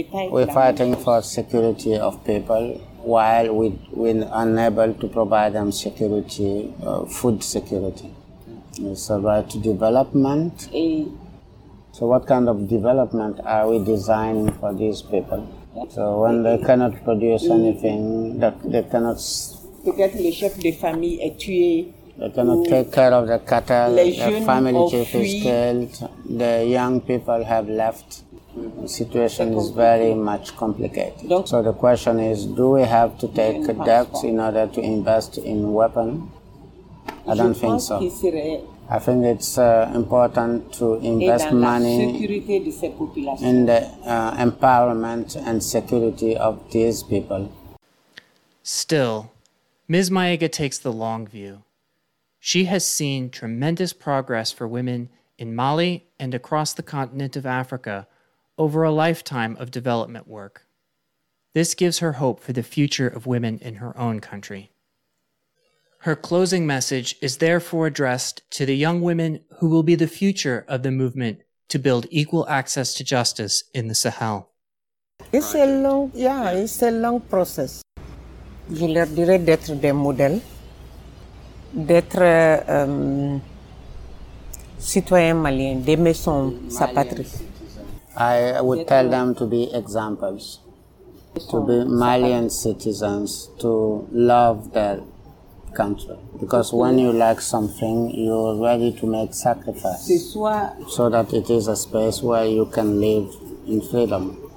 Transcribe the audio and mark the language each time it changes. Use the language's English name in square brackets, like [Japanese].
[English] We're fighting for security of people while we're unable to provide them security, food security. It's about development. So what kind of development are we designing for these people? So when they cannot produce anything, they cannot... [French] Peut-être le chef de famille est tué. [English] They cannot take care of the cattle, the family chief is killed, the young people have left. The situation is very much complicated. So the question is, do we have to take debt in order to invest in weapons? I don't think so. I think it's important to invest money in the empowerment and security of these people. Still, Ms. Maiga takes the long view. She has seen tremendous progress for women in Mali and across the continent of Africa over a lifetime of development work. This gives her hope for the future of women in her own country. Her closing message is therefore addressed to the young women who will be the future of the movement to build equal access to justice in the Sahel. It's a long, it's a long process. [French] Je leur dirais d'être des modèles, d'être citoyen malien, d'aimer son sa patrie. [English] I would tell them to be examples, to be Malian citizens, to love their country. Because when you like something, you're ready to make sacrifice so that it is a space where you can live in freedom.